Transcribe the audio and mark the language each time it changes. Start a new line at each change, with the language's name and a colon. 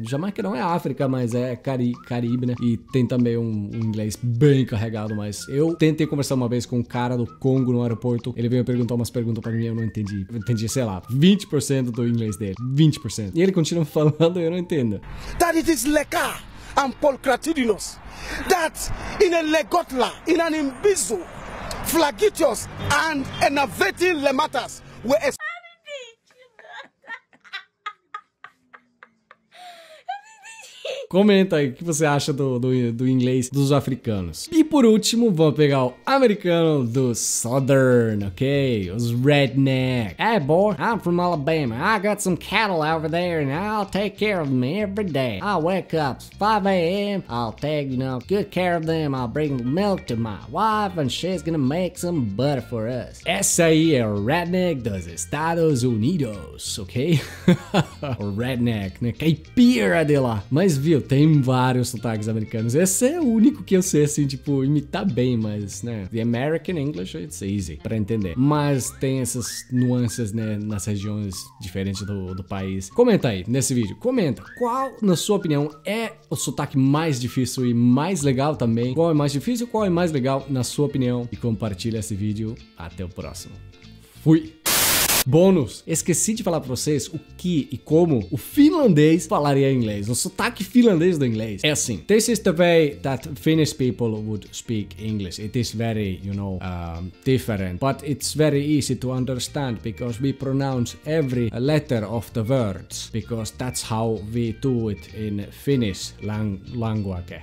Portuguese: Jamaica não é África, mas é Caribe, né? E tem também um inglês bem carregado, mas eu tentei conversar uma vez com um cara do Congo no aeroporto. Ele veio perguntar umas perguntas pra mim e eu não entendi. Eu entendi, sei lá, 20% do inglês dele. 20%. E ele continua falando e eu não entendo. That it is leka and polcratidinos. That in a legotla, in an imbizu, flagitios and enervating lematas were a... Comenta aí o que você acha do inglês dos africanos. E por último, vou pegar o americano do Southern, ok? Os redneck.
English: Hey boy, I'm from Alabama. I got some cattle over there and I'll take care of them every day. I wake up at 5 a.m. I'll take, you know, good care of them. I'll bring milk to my wife and she's gonna make some butter for us.
Portuguese: Esse aí é o redneck dos Estados Unidos, ok? O redneck, né? Caipira de lá. Mas viu, tem vários sotaques americanos. Esse é o único que eu sei, assim, tipo, imitar bem, mas, né?
English: The American English, it's easy
Portuguese: pra entender. Mas tem essas nuances, né, nas regiões diferentes do país. Comenta aí, nesse vídeo, comenta. Qual, na sua opinião, é o sotaque mais difícil e mais legal também? Qual é mais difícil, qual é mais legal, na sua opinião? E compartilha esse vídeo. Até o próximo. Fui! Bônus! Esqueci de falar pra vocês o que e como o finlandês falaria em inglês. O sotaque finlandês do inglês é assim.
English: This is the way that Finnish people would speak English. It is very, you know, different. But it's very easy to understand because we pronounce every letter of the words. Because that's how we do it in Finnish language.